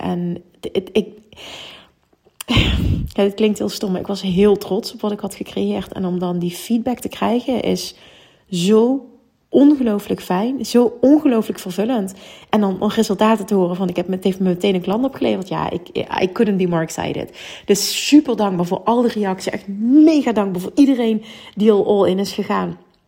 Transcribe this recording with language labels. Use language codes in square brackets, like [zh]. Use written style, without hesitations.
[nl] En het klinkt heel stom, maar ik was heel trots op wat ik had gecreëerd. En om dan die feedback te krijgen is zo ongelooflijk fijn, zo ongelooflijk vervullend. En dan om resultaten te horen van, ik heb meteen een klant opgeleverd. [en] Ja, I couldn't be more excited. [nl] Dus super dankbaar voor al de reacties. Echt mega dankbaar voor iedereen die al all in is gegaan.